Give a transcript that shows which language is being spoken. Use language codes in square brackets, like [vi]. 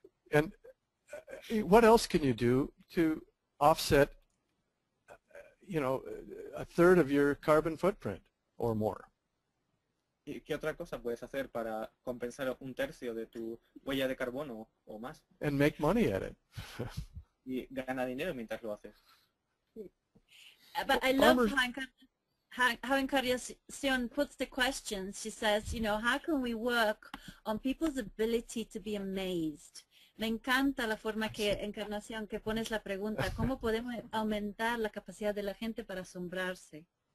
[en] And what else can you do to offset, you know, a third of your carbon footprint or more? [es] ¿Qué otra cosa puedes hacer para compensar un tercio de tu huella de carbono o más? [en] And make money at it. [es] Y gana dinero mientras lo haces. [en] But I love how Encarnación puts the questions. She says, you know, how can we work on people's ability to be amazed [es] Me encanta la forma que, Encarnación, que pones la pregunta, ¿cómo podemos aumentar la capacidad de la gente para asombrarse?